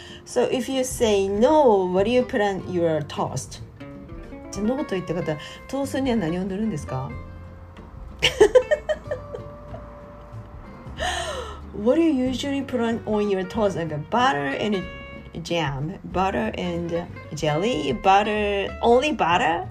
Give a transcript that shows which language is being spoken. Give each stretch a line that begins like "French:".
English: So if you say no, what do you put on your toast?
Japanese: じゃあ、ノーと言った方、トーストには何を塗るんですか?
English: What do you usually put on your toast? Like butter and jam, butter and jelly, butter, only butter?